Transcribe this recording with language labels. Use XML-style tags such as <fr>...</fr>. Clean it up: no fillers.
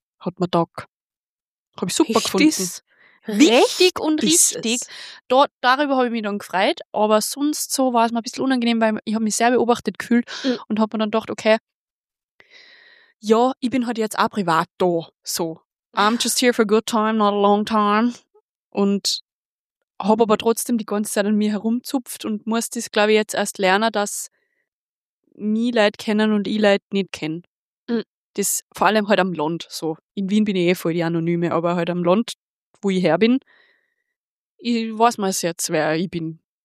<de>Hat mir Tag. Habe ich super richtig gefunden. Richtig. Richtig und richtig. Dort, darüber habe ich mich dann gefreut. Aber sonst so war es mir ein bisschen unangenehm, weil ich habe mich sehr beobachtet gefühlt und habe mir dann gedacht, okay, ja, ich bin halt jetzt auch privat da, so.</de> <en>I'm just here for a good time, not a long time.</en> <de>Und habe aber trotzdem die ganze Zeit an mir herumzupft und muss das, glaube ich, jetzt erst lernen, dass mich Leute kennen und ich Leute nicht kenne. Das vor allem halt am Land, so. In Wien bin ich eh voll die Anonyme, aber halt am Land, wo ich her bin, ich weiß mal jetzt, wer ich bin.</de>